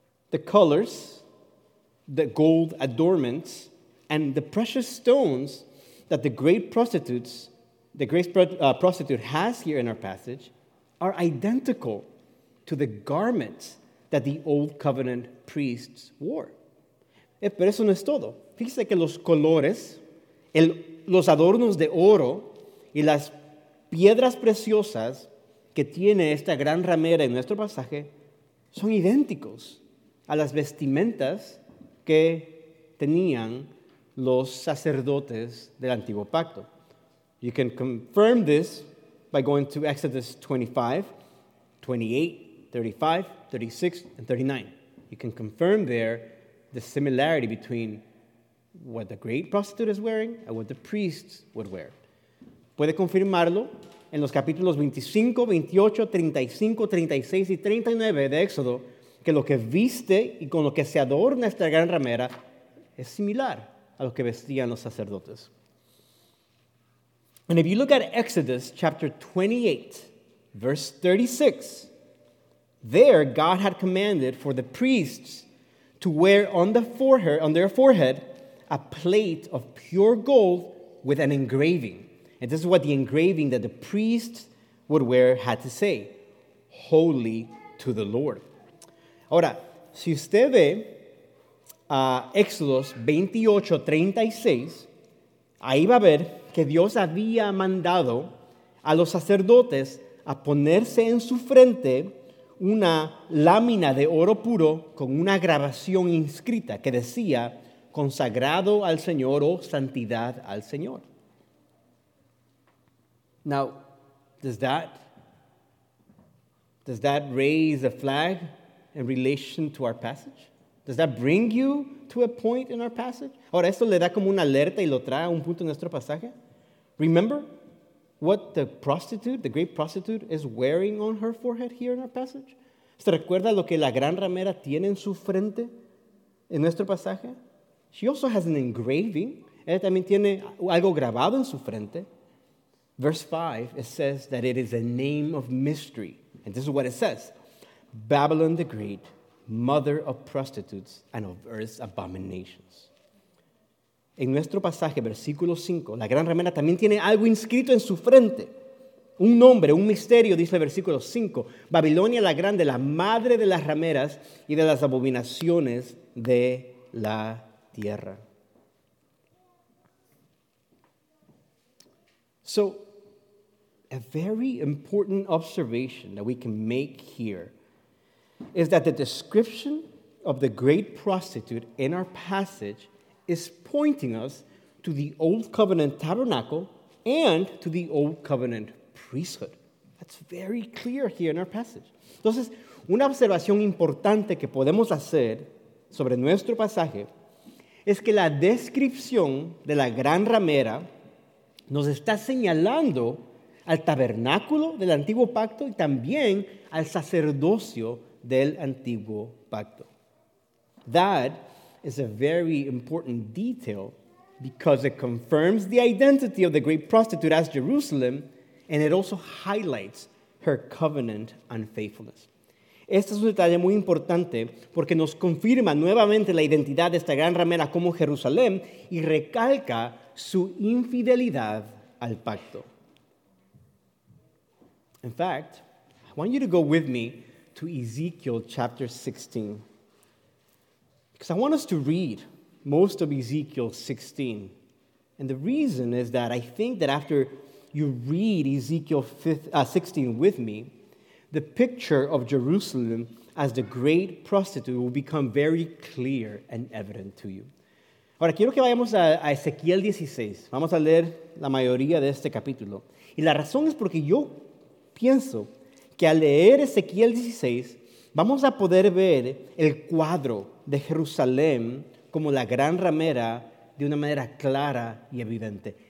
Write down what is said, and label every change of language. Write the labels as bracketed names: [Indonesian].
[English] The colors, the gold adornments, and the precious stones that the great prostitute has here in our passage are identical to the garments that the old covenant priests wore. [Spanish] Pero eso no es todo. Fíjese que los colores, los adornos de oro y las piedras preciosas que tiene esta gran ramera en nuestro pasaje son idénticos a las vestimentas que tenían los sacerdotes del antiguo pacto. [English] You can confirm this by going to Exodus 25, 28, 35, 36, and 39. You can confirm there the similarity between what the great prostitute is wearing and what the priests would wear. [Spanish] Puede confirmarlo en los capítulos 25, 28, 35, 36 y 39 de Éxodo, que lo que viste y con lo que se adorna esta gran ramera es similar a lo que vestían los sacerdotes. [English] And if you look at Exodus chapter 28, verse 36, there, God had commanded for the priests to wear on their forehead, a plate of pure gold with an engraving. And this is what the engraving that the priests would wear had to say: Holy to the Lord. [Spanish] Ahora, si usted ve Éxodos 28:36, ahí va a ver que Dios había mandado a los sacerdotes a ponerse en su frente una lámina de oro puro con una grabación inscrita que decía consagrado al Señor o santidad al Señor. [English] Now, does that raise a flag in relation to our passage? Does that bring you to a point in our passage? [Spanish] Ahora, ¿esto le da como una alerta y lo trae a un punto en nuestro pasaje? [English] Remember what the great prostitute is wearing on her forehead here in our passage? [Spanish] ¿Se recuerda lo que la gran ramera tiene en su frente en nuestro pasaje? [English] She also has an engraving. [Spanish] Ella también tiene algo grabado en su frente. [English] Verse 5, it says that it is a name of mystery. And this is what it says. Babylon the Great, mother of prostitutes and of earth's abominations. [Spanish] En nuestro pasaje, versículo 5, la gran ramera también tiene algo inscrito en su frente. Un nombre, un misterio, dice el versículo 5. Babilonia la Grande, la madre de las rameras y de las abominaciones de la tierra. [English] So, a very important observation that we can make here is that the description of the great prostitute in our passage is pointing us to the Old Covenant tabernacle and to the Old Covenant priesthood. That's very clear here in our passage. [Spanish] Entonces, una observación importante que podemos hacer sobre nuestro pasaje es que la descripción de la gran ramera nos está señalando al tabernáculo del Antiguo Pacto y también al sacerdocio del Antiguo Pacto. [English] That is a very important detail because it confirms the identity of the great prostitute as Jerusalem, and it also highlights her covenant unfaithfulness. [Spanish] Este es un detalle muy importante porque nos confirma nuevamente la identidad de esta gran ramera como Jerusalén y recalca su infidelidad al pacto. [English] In fact, I want you to go with me to Ezekiel chapter 16. Because I want us to read most of Ezekiel 16. And the reason is that I think that after you read Ezekiel 16 with me, the picture of Jerusalem as the great prostitute will become very clear and evident to you. [Spanish] Ahora, quiero que vayamos a Ezequiel 16. Vamos a leer la mayoría de este capítulo. Y la razón es porque yo pienso que al leer Ezequiel 16, vamos a poder ver el cuadro de Jerusalén como la gran ramera de una manera clara y evidente.